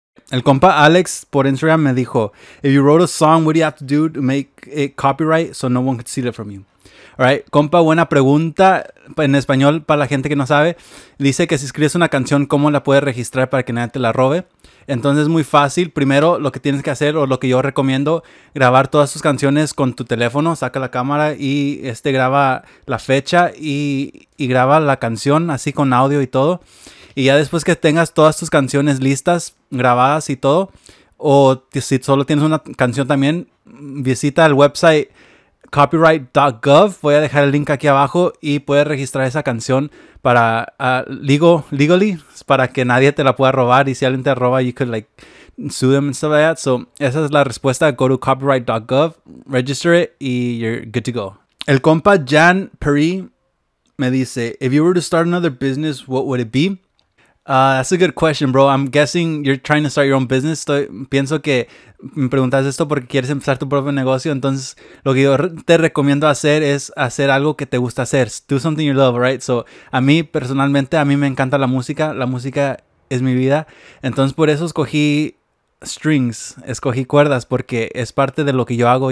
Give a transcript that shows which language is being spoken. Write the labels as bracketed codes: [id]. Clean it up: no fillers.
[es] El compa Alex por Instagram me dijo, [en] if you wrote a song, what do you have to do to make it copyright so no one could steal it from you? [es] Alright, compa, buena pregunta. En español, para la gente que no sabe, dice que si escribes una canción, ¿cómo la puedes registrar para que nadie te la robe? Entonces es muy fácil. Primero, lo que tienes que hacer, o lo que yo recomiendo, grabar todas tus canciones con tu teléfono. Saca la cámara y graba la fecha y graba la canción así con audio y todo. Y ya después que tengas todas tus canciones listas, grabadas y todo, o si solo tienes una canción también, visita el website copyright.gov. Voy a dejar el link aquí abajo y puedes registrar esa canción para [en] legally [es] para que nadie te la pueda robar. Y si alguien te roba, [en] you could like sue them and stuff like that. [es] So esa es la respuesta. [en] Go to copyright.gov, register it, [es] y [en] you're good to go. [es] El compa Jan Perry me dice, [en] if you were to start another business, what would it be? That's a good question, bro. I'm guessing you're trying to start your own business. [es] Pienso que me preguntas esto porque quieres empezar tu propio negocio. Entonces, lo que yo te recomiendo hacer es hacer algo que te gusta hacer. [en] Do something you love, right? [es] So, a mí, personalmente, a mí me encanta la música. La música es mi vida. Entonces, por eso escogí strings. Escogí cuerdas porque es parte de lo que yo hago.